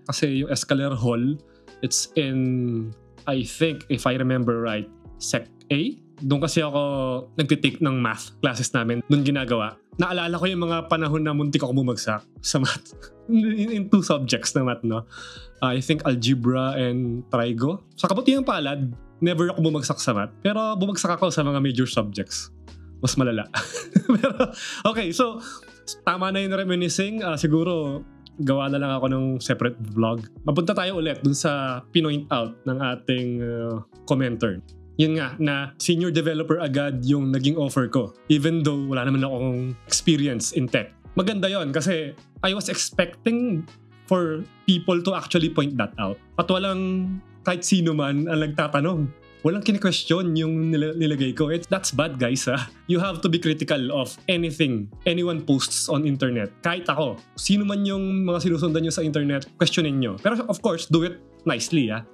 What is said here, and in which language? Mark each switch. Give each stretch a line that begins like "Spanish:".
English: Kasi yung Escalera Hall, it's in, I think, if I remember right, Sec A?
Filipino: Doon kasi ako nagtitake ng math classes namin, doon ginagawa. Naalala ko yung mga panahon na muntik ako bumagsak sa math. In 2 subjects na math, no?
English: I think algebra and trigo.
Filipino: Sa kabutihang palad, never ako bumagsak sa math. Pero bumagsak ako sa mga major subjects. Mas malala. Pero, okay, so tama na yung reminiscing. Siguro, gawa na lang ako ng
English: separate vlog.
Filipino: Mapunta tayo ulit dun sa pinoint out ng ating commenter. Yun nga, na
English: senior developer
Filipino: agad yung naging offer ko.
English: Even though
Filipino: wala naman akong
English: experience in tech.
Filipino: Maganda yon kasi
English: I was expecting for people to actually point that out.
Filipino: At walang kahit sino man ang nagtatanong. Walang kine-question yung nilagay ko.
English: That's bad, guys.
Filipino: Ha?
English: You have to be critical of anything anyone posts on internet.
Filipino: Kahit ako. Sino man yung mga sinusundan nyo sa internet, questionin nyo. Pero
English: of course, do it nicely.
Filipino: Ha?